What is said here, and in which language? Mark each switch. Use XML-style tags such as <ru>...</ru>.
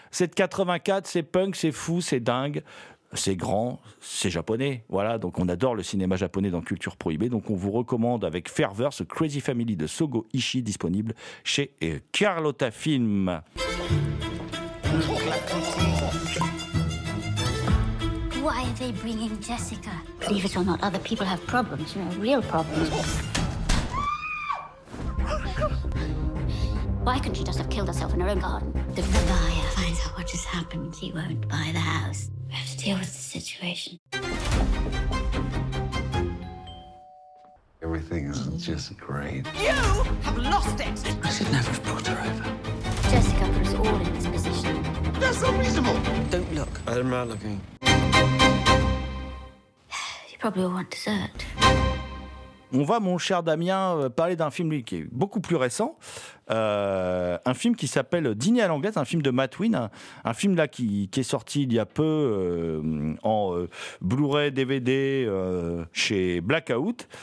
<fr>C'est de 84, c'est punk, c'est fou, c'est dingue, c'est grand, c'est japonais. Voilà, donc on adore le cinéma japonais dans Culture Prohibée. Donc on vous recommande avec ferveur ce Crazy Family de Sogo Ishii, disponible chez Carlotta Film.</fr> <en>Why are they bringing Jessica? Believe it or not, other people have problems, you know, real problems. Why couldn't she just have killed herself in her own garden? If the buyer finds out what has happened, he won't buy the house. We have to deal with the situation. Everything is just great. You have lost it! I should never have brought her over. Jessica puts all in this position. That's unreasonable! Don't look. I'm not looking. Probably will want dessert.</en> <fr>On va, mon cher Damien, parler d'un film qui est beaucoup plus récent. Un film qui s'appelle Dîner à l'anglaise, un film de Matt Wynne. Un film là qui est sorti il y a peu Blu-ray, DVD, chez Blackout.</fr>